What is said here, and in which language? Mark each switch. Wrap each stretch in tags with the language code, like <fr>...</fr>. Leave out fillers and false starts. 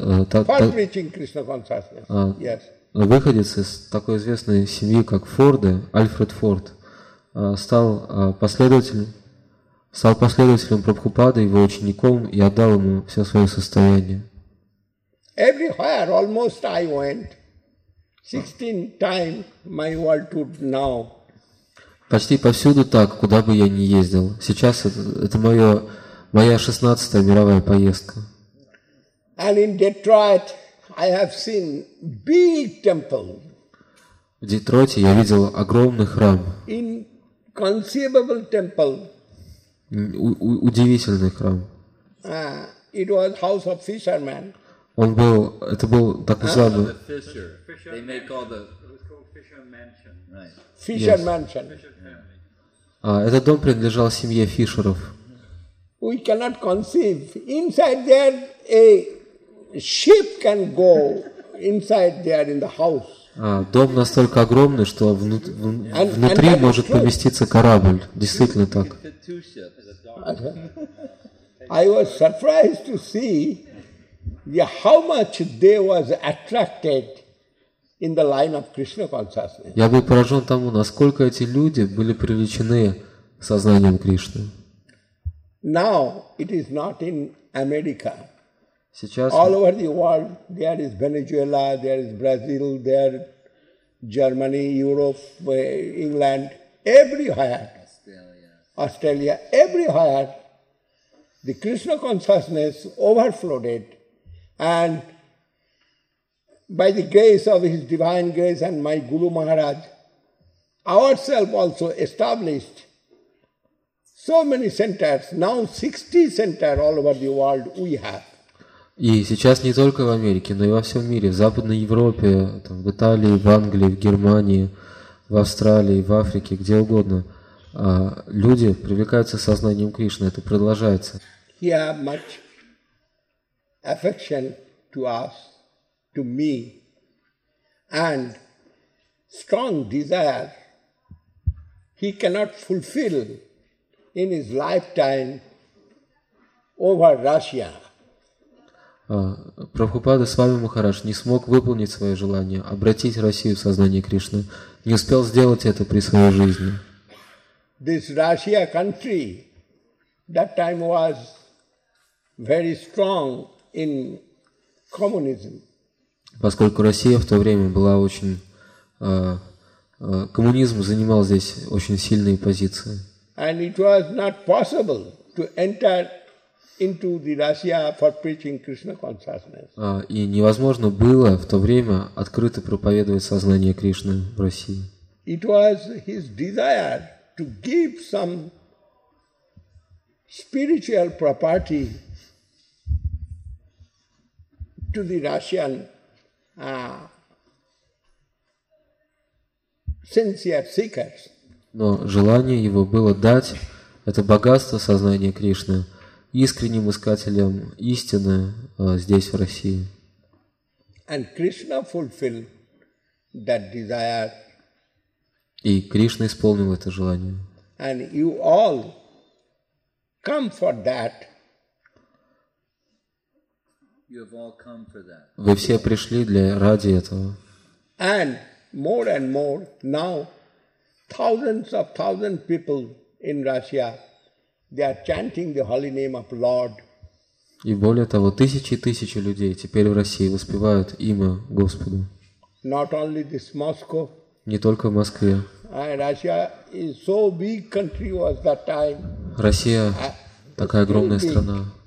<en>For preaching Krishna consciousness. Yes.</en> <ru>Выходец из такой известной семьи, как Форды, Альфред Форд, стал последователем Прабхупады, его учеником, и отдал ему все свое состояние.</ru> <en>Everywhere, almost I went, 16 times my world tour now.</en> <ru>Почти повсюду так, куда бы я ни ездил. Сейчас это моя 16-я мировая поездка.</ru> <en>And in Detroit, I have seen big temple.</en> <ru>В Детройте я видел огромный храм.</ru> <en>Inconceivable temple.</en> <ru>Удивительный храм.</ru> <en>It was house of fishermen.</en> <ru>Он был, это был так называемый.</ru> <en>They may call the. It was called Fisher Mansion, right? Fisher Mansion.</en> <ru>Этот дом принадлежал семье Фишеров.</ru> <en>We cannot conceive inside there a. Ship can go inside there in the house.</en> <ru>Дом настолько огромный, что внутри может поместиться корабль. Действительно так.</ru> <en>I was surprised to see how much they was attracted in the line of Krishna consciousness.</en> <ru>Я был поражен тому, насколько эти люди были привлечены сознанием Кришны.</ru> <en>Now it is not in America.</en> <ru>Сейчас</ru> <en>all over the world, there is Venezuela, there is Brazil, there Germany, Europe, England, everywhere, Australia, everywhere, the Krishna consciousness overflowed, and by the grace of His divine grace and my Guru Maharaj, ourselves also established so many centers. Now 60 centers all over the world we have.</en> <ru>И сейчас не только в Америке, но и во всем мире, в Западной Европе, там, в Италии, в Англии, в Германии, в Австралии, в Африке, где угодно, люди привлекаются сознанием Кришны, это продолжается.</ru> <en>He has much affection to us, to me, and strong desire he cannot fulfill in his lifetime over Russia.</en> <ru>Прабхупада Свами Махарадж не смог выполнить свое желание обратить Россию в сознание Кришны, не успел сделать это при своей жизни.</ru> <en>This Russia country that time was very strong in communism.</en> <ru>Поскольку Россия в то время была очень коммунизм занимал здесь очень сильные позиции.</ru> <en>And it was not possible to enter into the Russia for preaching Krishna consciousness.</en> <ru>И невозможно было в то время открыто проповедовать сознание Кришны в России.</ru> <en>It was his desire to give some spiritual property to the Russian sincere seekers.</en> <ru>Но желание его было дать это богатство сознания Кришны искренним искателям истины здесь, в России.</ru> <en>And Krishna fulfilled that desire.</en> <ru>И Кришна исполнил это желание.</ru> <en>And you all come for that. You have all come for that.</en> <ru>Вы все пришли для ради этого.</ru> <en>And more now thousands of thousands people in Russia. They are chanting the holy name of Lord.</en> <ru>И более того, тысячи и тысячи людей теперь в России воспевают имя Господа.</ru> <en>Not only this Moscow.</en> <ru>Не только в Москве.</ru> <en>Russia is so big country was that time.</en> <ru>Россия такая огромная страна.</ru>